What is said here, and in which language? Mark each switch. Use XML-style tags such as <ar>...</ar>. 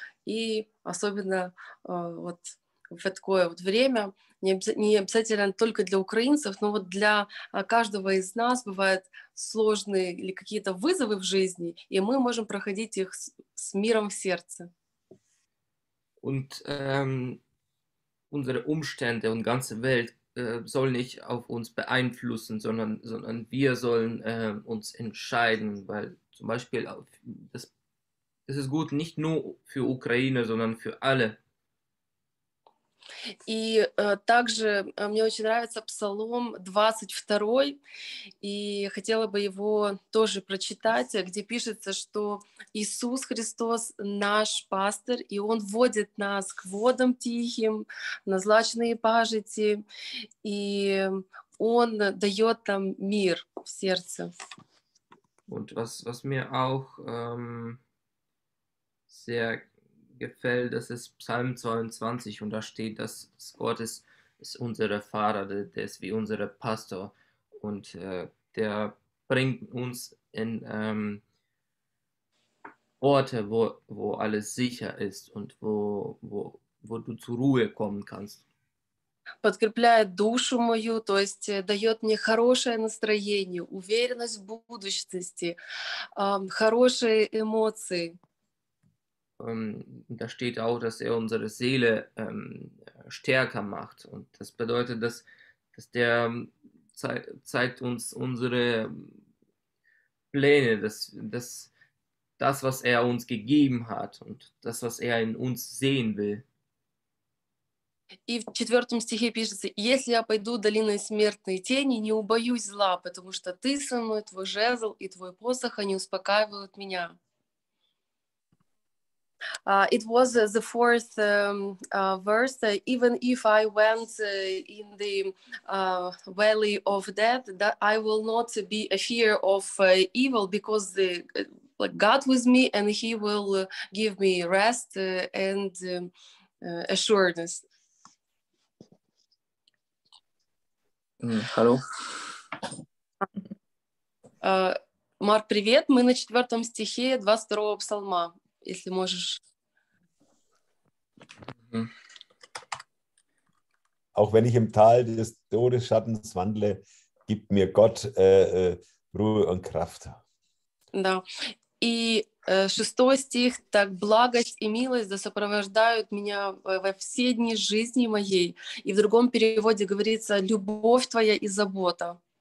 <ru>И особенно вот в такое вот время, не обязательно только для украинцев, но вот для каждого из нас бывают сложные или какие-то вызовы в жизни, и мы можем проходить их с миром в сердце.</ru> <de>Unsere Umstände und ganze Welt soll nicht auf uns beeinflussen, sondern wir sollen uns entscheiden, weil zum Beispiel das ist gut nicht nur für Ukraine, sondern für alle.</de> <ru>И также мне очень нравится Псалом 22, и хотела бы его тоже прочитать, где пишется, что Иисус Христос наш пастырь, и Он водит нас к водам тихим, на злачные пажити, и Он дает нам мир в сердце.</ru> <de>Und was mir auch sehr gefällt, das ist Psalm 22 und da steht, dass Gott ist unser Vater, der ist wie unser Pastor und der bringt uns in Orte, wo alles sicher ist und wo du zur Ruhe kommen kannst.</de> <ru>подкрепляет душу мою, то есть дает мне хорошее настроение, уверенность в будущности, хорошие эмоции.</ru> <de>Da steht auch, dass er unsere Seele stärker macht. Und das bedeutet, dass der zeigt uns unsere Pläne, das, was er uns gegeben hat und das, was er in uns sehen will.</de> <ru>И в четвертом стихе пишется: «Если я пойду долиной смертной тени, не убоюсь зла, потому что ты со мной, твой жезл и твой посох, они успокаивают меня».</ru> <en>It was the fourth verse. Even if I went in the valley of death, that I will not be a fear of evil, because the, like God with me, and He will give me rest and assuredness.</en> <de>Hallo.</de> <ru>Марк, привет. Мы на четвертом стихе 22-го псалма, если можешь.</ru> <de>Auch wenn ich im Tal des Todesschattens wandle, gibt mir Gott Ruhe und Kraft.</de> <ru>Да. И шестой стих: так благость и милость да сопровождают меня во все дни жизни моей. И в другом переводе говорится: любовь твоя и забота.</ru>